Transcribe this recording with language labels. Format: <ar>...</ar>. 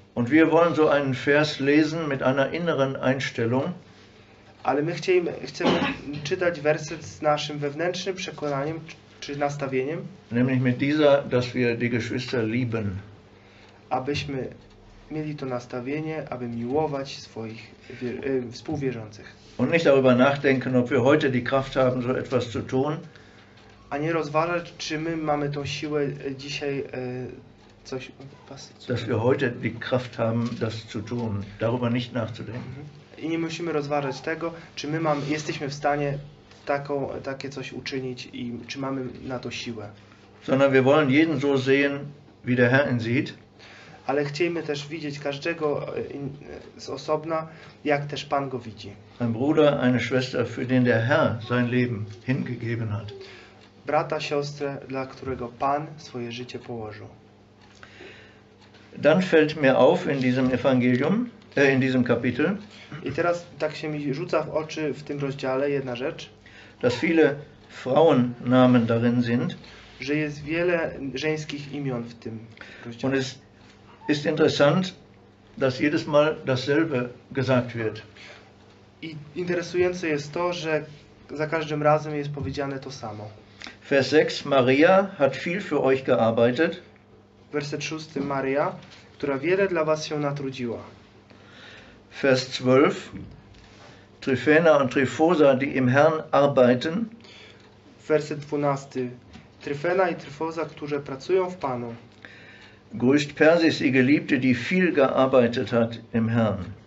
<de>Und wir wollen so einen Vers lesen mit einer inneren Einstellung.</de> <pl>Ale my chcemy czytać werset z naszym wewnętrznym przekonaniem czy nastawieniem.</pl> <de>Nämlich mit dieser, dass wir die Geschwister lieben.</de> <pl>Abyśmy mieli to nastawienie, aby miłować swoich współwierzących.</pl> <de>Und nicht darüber nachdenken, ob wir heute die Kraft haben, so etwas zu tun.</de> <pl>A nie rozważać, czy my mamy tą siłę dzisiaj coś pasować.</pl> <de>Dass wir heute die Kraft haben, das zu tun, darüber nicht nachzudenken.</de> <pl>I nie musimy rozważać tego, czy my jesteśmy w stanie takie coś uczynić i czy mamy na to siłę.</pl> <de>Sondern wir wollen jeden so sehen, wie der Herr ihn sieht.</de> <pl>Ale chcielibyśmy też widzieć każdego z osobna, jak też Pan go widzi.</pl> <de>Ein Bruder, eine Schwester, für den der Herr sein Leben hingegeben hat.</de> <pl>Brata, siostrę, dla którego Pan swoje życie położył.</pl> <de>Dann fällt mir auf in diesem Evangelium, in diesem Kapitel.</de> <pl>I teraz tak się mi rzuca w oczy w tym rozdziale jedna rzecz.</pl> <de>Dass viele Frauennamen darin sind.</de> <pl>Że jest wiele żeńskich imion w tym rozdziale.</pl> <de>Und es ist interessant, dass jedes Mal dasselbe gesagt wird.</de> <pl>I interesujące jest to, że za każdym razem jest powiedziane to samo.</pl> <de>Vers 6, Maria hat viel für euch gearbeitet.</de> <pl>Werset 6, Maria, która wiele dla was się natrudziła.</pl> <de>Vers 12, Tryphena und Tryphosa, die im Herrn arbeiten.</de> <pl>werset 12. Tryfena i Tryfosa, którzy pracują w Panu.</pl> <de>Grüßt Persis, ihr Geliebte, die viel gearbeitet hat im Herrn.</de>